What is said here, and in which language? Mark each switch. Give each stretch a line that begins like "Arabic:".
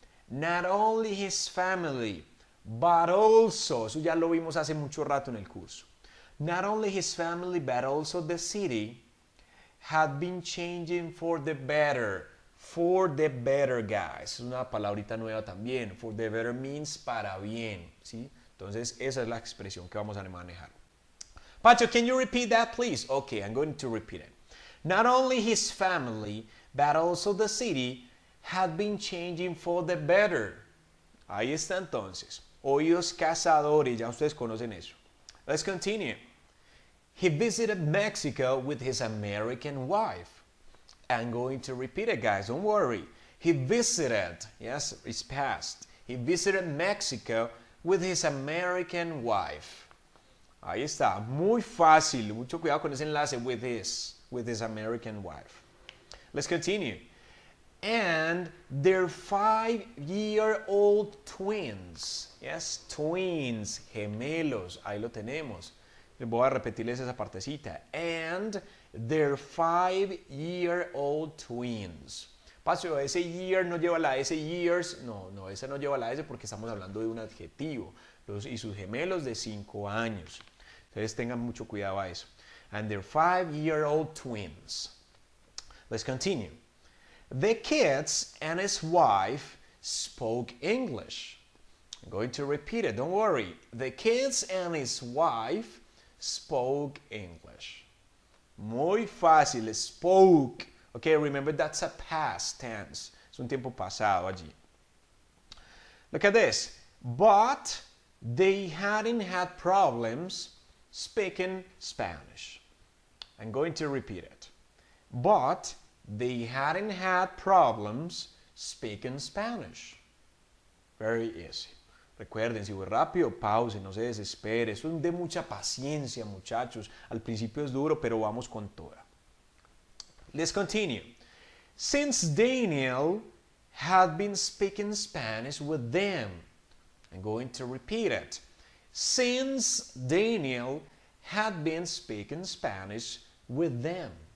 English: Not only his family, but also,
Spanish: eso ya lo vimos hace mucho rato en el curso.
English: Not only his family, but also the city had been changing for the better. For the better, guys.
Spanish: Es una palabrita nueva también.
English: For the better means
Spanish: para bien. ¿Sí? Entonces, esa es la expresión que vamos a manejar.
English: Pacho, can you repeat that, please? Okay, I'm going to repeat it. Not only his family, but also the city had been changing for the better.
Spanish: Ahí está entonces. Oídos cazadores, ya ustedes conocen eso.
English: Let's continue. He visited Mexico with his American wife. I'm going to repeat it, guys. Don't worry. He visited, yes, it's past. He visited Mexico with his American wife.
Spanish: Ahí está. Muy fácil. Mucho cuidado con ese enlace
English: with his American wife. Let's continue. And their five-year-old twins. Yes, twins,
Spanish: gemelos. Ahí lo tenemos. Voy a repetirles esa partecita.
English: And their five-year-old twins.
Spanish: Paso, ese year no lleva la S, years. No, no, ese no lleva la S porque estamos hablando de un adjetivo. Los, y sus gemelos de 5 años. Entonces tengan mucho cuidado a eso.
English: And their five-year-old twins. Let's continue. The kids and his wife spoke English. I'm going to repeat it, don't worry. The kids and his wife spoke English.
Spanish: Muy fácil,
English: spoke. Okay, remember that's a past tense.
Spanish: Es un tiempo pasado allí.
English: Look at this. But they hadn't had problems speaking Spanish. I'm going to repeat it. But they hadn't had problems speaking Spanish. Very easy.
Spanish: Recuerden, si voy rápido, pause, no se desespere. Eso es de mucha paciencia, muchachos. Al principio es duro, pero vamos con toda.
English: Let's continue. Since Daniel had been speaking Spanish with them. I'm going to repeat it. Since Daniel had been speaking Spanish with them.